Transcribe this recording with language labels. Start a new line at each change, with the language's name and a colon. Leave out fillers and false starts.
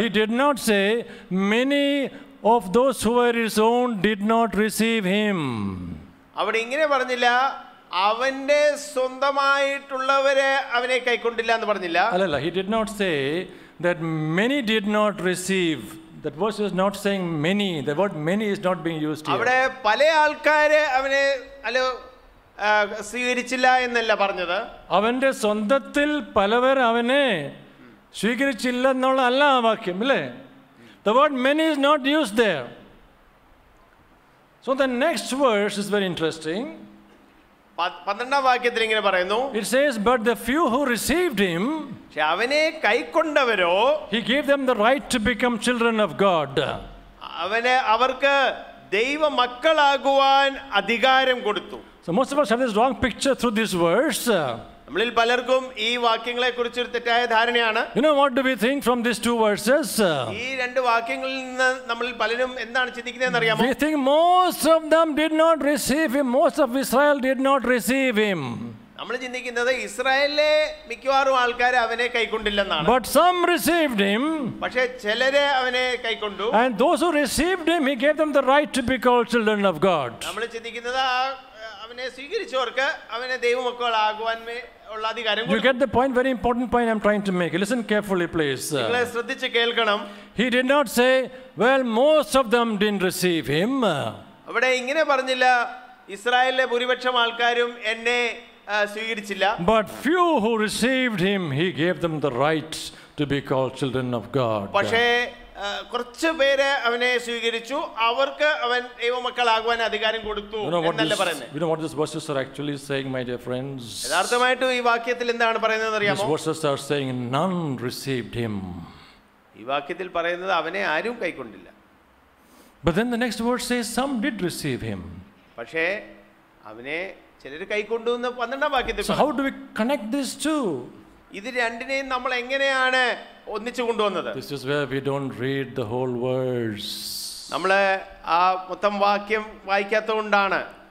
English: He did not say many of those who were his own did not receive him.
Malayalam: അവിടെ ഇങ്ങനെ പറഞ്ഞില്ല, അവന്റെ സ്വന്തമായിട്ടുള്ളവരെ അവനെ കൈക്കൊണ്ടില്ല എന്ന് പറഞ്ഞില്ല. അല്ലല്ല,
English: he did not say that many did not receive. That verse is not saying many. The word many is not being used here.
Malayalam: അവിടെ പല ആൾക്കാരെ അവനെ അല്ലോ സ്വീകരിച്ചില്ല എന്നല്ല പറഞ്ഞത്. അവന്റെ സ്വന്തത്തിൽ പലവർ അവനെ സ്വീകരിച്ചില്ല എന്നുള്ളതല്ല ആ വാക്യം അല്ലേ.
English: The word many is not used there. So the next verse is very interesting.
Malayalam: 12th വാക്യത്തിൽ ഇങ്ങനെ പറയുന്നു,
English: it says but the few who received him,
Malayalam: അവനെ കൈക്കൊണ്ടവരോ,
English: he gave them the right to become children of God.
Malayalam: അവനെ അവർക്ക് ദൈവമക്കളാകുവാൻ അധികാരം കൊടുത്തു.
English: So most of us have this wrong picture through this verse.
Malayalam: നമ്മളിൽ പലർക്കും ഈ വാക്യങ്ങളെ കുറിച്ച് ഒരു തെറ്റായ ധാരണയാണ്.
English: You know what do we think from these two verses?
Malayalam: ഈ രണ്ട് വാക്യങ്ങളിൽ നിന്ന് നമ്മളിൽ പലരും എന്താണ് ചിന്തിക്കുന്നതെന്ന് അറിയാമോ?
English: We think most of them did not receive him. Most of Israel did not receive him.
Malayalam: നമ്മൾ ചിന്തിക്കുന്നത് ഇസ്രായേലിലെ മിക്കവാറും ആൾക്കാർ അവനെ കൈക്കൊണ്ടില്ലെന്നാണ്.
English: But some received him.
Malayalam: പക്ഷേ ചിലരെ അവനെ കൈക്കൊണ്ടു.
English: And those who received him, he gave them the right to be called children of God.
Malayalam: നമ്മൾ ചിന്തിക്കുന്നത് അവനെ സ്വീകരിച്ചവർക്ക് അവനെ ദൈവമക്കൾ ആകുവാൻ ഉള്ള അധികാരം കൊടുത്തു.
English: You get the point, very important point I'm trying to make. Listen carefully, please.
Malayalam: നിങ്ങൾ ശ്രദ്ധിച്ച് കേൾക്കണം.
English: He did not say, well, most of them didn't receive him.
Malayalam: അവിടെ ഇങ്ങനെ പറഞ്ഞില്ല, ഇസ്രായേലിലെ ഭൂരിപക്ഷം ആൾക്കാരും എന്നെ സ്വീകരിച്ചില്ല.
English: But few who received him, he gave them the right to be called children of God.
Malayalam: പക്ഷേ കുറച്ച് പേരെ അവനെ സ്വീകരിച്ചു, അവർക്ക് അവൻ ദൈവമക്കൾ ആകുവാൻ അധികാരം കൊടുത്തു എന്നല്ലേ പറയുന്നത്.
English: You know what this verses are actually saying, my dear friends?
Malayalam: യഥാർത്ഥമായിട്ട് ഈ വാക്യത്തിൽ എന്താണ് പറയുന്നത് അറിയാമോ?
English: These verses are saying none received him.
Malayalam: ഈ വാക്യത്തിൽ പറയുന്നത് അവനെ ആരും കൈക്കൊണ്ടില്ല.
English: But then the next verse says some did receive him.
Malayalam: പക്ഷേ അവനെ ചിലർ കൈക്കൊണ്ടു എന്ന് പന്ത്രണ്ടാം വാക്യത്തിൽ.
English: So how do we connect this to?
Malayalam: ഇത് രണ്ടിനെയും നമ്മൾ എങ്ങനെയാണ് ഒന്നിച്ചു കൊണ്ടുവന്നത്?
English: This is where we don't read the whole verse.
Malayalam: നമ്മൾ ആ മൊത്തം വാക്യം വായിക്കാത്തതുകൊണ്ടാണ്.